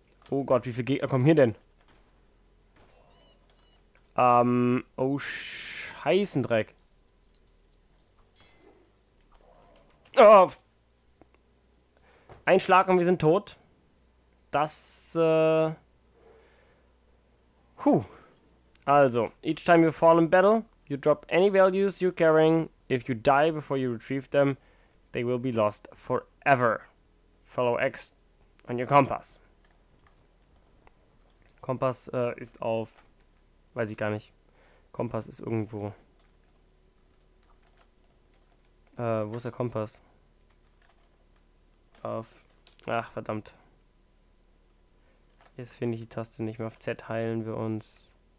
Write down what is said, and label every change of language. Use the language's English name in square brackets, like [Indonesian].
[German] Oh Gott, wie viele Gegner kommen hier denn? Oh scheißen Dreck. Oh. Ein Schlag und wir sind tot. [English] Also, each time you fall in battle, you drop any values you're carrying. If you die before you retrieve them, they will be lost forever. Follow X on your compass. [German] Kompass ist auf, weiß ich gar nicht. Kompass ist irgendwo. Wo ist der Kompass? Auf, ach verdammt. Jetzt finde ich die Taste nicht mehr. Auf Z heilen wir uns.